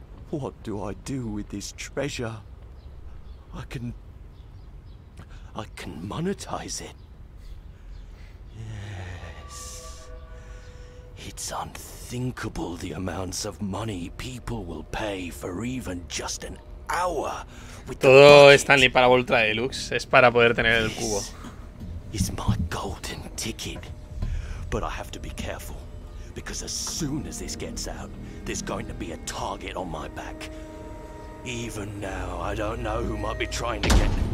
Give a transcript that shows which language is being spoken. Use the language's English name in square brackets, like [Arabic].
[English] What do I do with this treasure? I can monetize it. Yes. It's unthinkable the amounts of money people will pay for even just an hour with the [Spanish] todo Stanley para Ultra Deluxe, es para poder tener el cubo. [English] Is my golden ticket. But I have to be careful, because as soon as this gets out, there's going to be a target on my back. Even now, I don't know who might be trying to get...